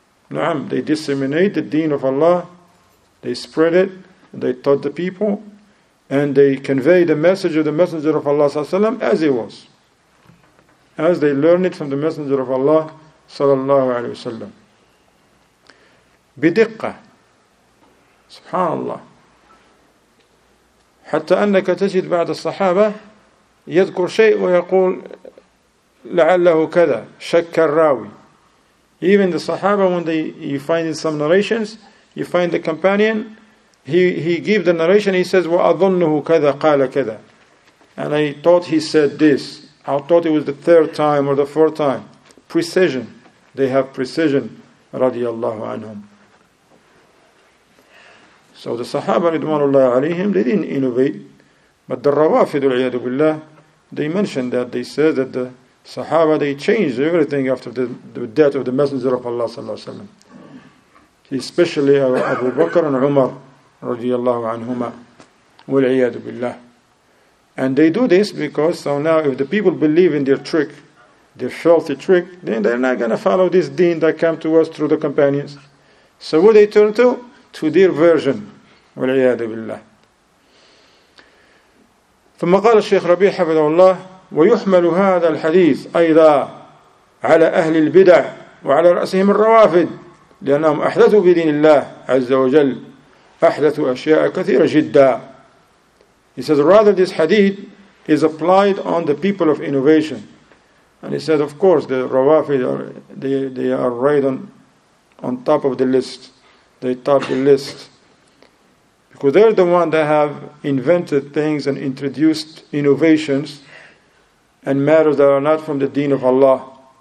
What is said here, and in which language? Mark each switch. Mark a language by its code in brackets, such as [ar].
[en] Naam, they disseminate the deen of Allah, they spread it, they taught the people, and they convey the message of the Messenger of Allah وسلم, as it was. As they learned it from the Messenger of Allah sallallahu alayhi wa sallam. [ar] بدقة سبحان الله حتى أنك تجد بعد الصحابة يذكر شيء ويقول لعله كذا شك الراوي. [en] Even the Sahaba, when you find in some narrations, you find the companion, he gives the narration, he says, [ar] وَأَظُنُّهُ كَذَا قَالَ كَذَا. [en] And I thought he said this. I thought it was the third time or the fourth time. Precision. They have precision, radiallahu anhum. So the Sahaba, ridwanullahi alayhim, they didn't innovate. But the Rawafid, al-Iyadu Billah, they mentioned that, they said that the Sahaba, they changed everything after the death of the Messenger of Allah sallallahu alayhi wa, especially Abu Bakr and Umar radiallahu anhuma wal-iyadu billah. And they do this because, so now if the people believe in their trick, their filthy trick, then they're not going to follow this deen that came to us through the companions. So what they turn to? To their version wal-iyadu billah. [ar] ثم قال الشيخ ربيع حفظه الله ويحمل هذا الحديث أيضا على أهل البدع وعلى رأسهم الروافد لأنهم أحدثوا في دين الله عز وجل أحدثوا أشياء كثيرة جدا. [en] He says, rather this hadith is applied on the people of innovation. And he said, of course, the Rawafid, they are right on top of the list. They top the list. Because they're the one that have invented things and introduced innovations and matters that are not from the deen of Allah.